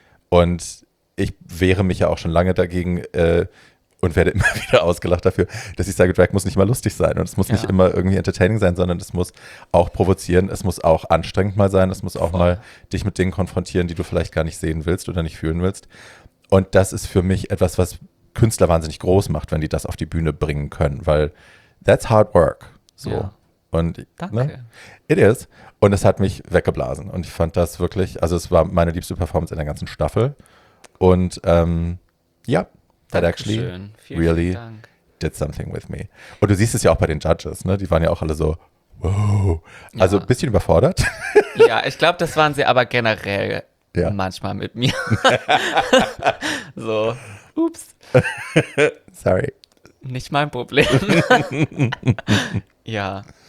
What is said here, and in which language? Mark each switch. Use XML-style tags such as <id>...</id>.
<de>Und ich wehre mich ja auch schon lange dagegen und werde immer wieder ausgelacht dafür, dass ich sage, Drag muss nicht mal lustig sein und es muss nicht immer irgendwie entertaining sein, sondern es muss auch provozieren, es muss auch anstrengend mal sein, es muss auch mal dich mit Dingen konfrontieren, die du vielleicht gar nicht sehen willst oder nicht fühlen willst. Und das ist für mich etwas, was Künstler wahnsinnig groß macht, wenn die das auf die Bühne bringen können, weil</de> <en>that's hard work.</en> <de>So. Ja. Und, danke. Ne?</de> <en>It is.</en> <de>Und es hat mich weggeblasen und ich fand das wirklich, also es war meine liebste Performance in der ganzen Staffel. Und ja,</de> <en>that actually really did something with me.</en> <de>Und du siehst es ja auch bei den Judges, ne? Die waren ja auch alle so, wow. Also ein bisschen überfordert. Ja, ich glaube, das waren sie aber generell manchmal mit mir. So, ups. Sorry. Nicht mein Problem. Ja.</de>